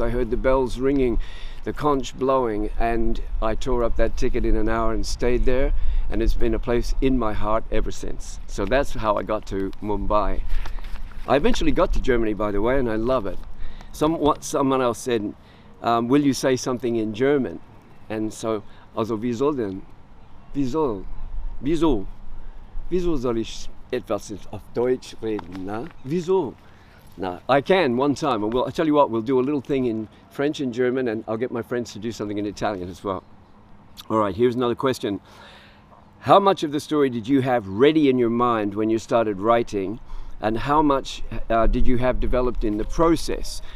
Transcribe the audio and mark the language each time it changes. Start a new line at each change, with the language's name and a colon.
English: I heard the bells ringing, the conch blowing, and I tore up that ticket in an hour and stayed there, and it's been a place in my heart ever since. So that's how I got to Mumbai. I eventually got to Germany, by the way, and I love it. Someone else said, will you say something in German?
German: And so, also, wie soll denn? Wieso? Wieso? Wieso soll ich etwas auf Deutsch reden, na?
English: Wieso? No, I can one time. I tell you what, we'll do a little thing in French and German, and I'll get my friends to do something in Italian as well. All right, here's another question. How much of the story did you have ready in your mind when you started writing, and how much did you have developed in the process?